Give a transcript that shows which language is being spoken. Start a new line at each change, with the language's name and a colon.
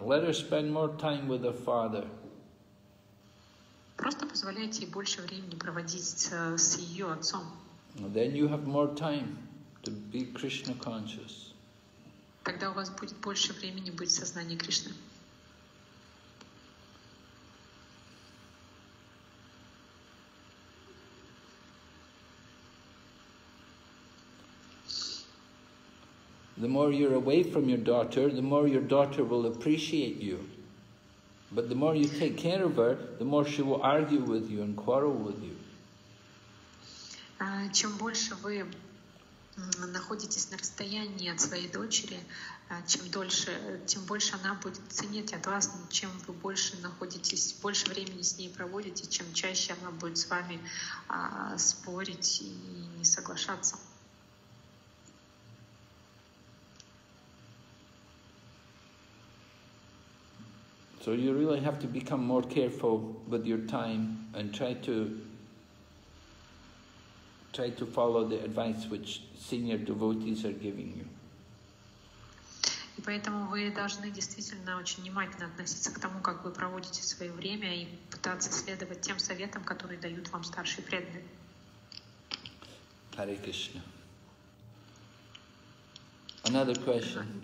English: Let her spend more time with her father.
Russian: Просто позволяйте ей больше времени проводить с ее отцом.
English: Then you have more time to be Krishna conscious.
Russian: Когда у вас будет больше времени быть в сознании Кришны.
English: The more you're away from your daughter, the more your daughter will appreciate you. But the more you take care of her, the more she will argue with you and quarrel with you.
Russian: Чем больше вы находитесь на расстоянии от своей дочери, чем дольше, тем больше она будет ценить от вас, чем вы больше находитесь, больше времени с ней проводите, чем чаще она будет с вами спорить и не соглашаться.
English: So you really have to become more careful with your time and try to follow the advice which senior devotees are giving you.
Russian: И поэтому вы должны действительно очень внимательно относиться к тому, как вы проводите свое время, и пытаться следовать тем советам, которые дают вам старшие преданные.
English: Hare Krishna. Another question.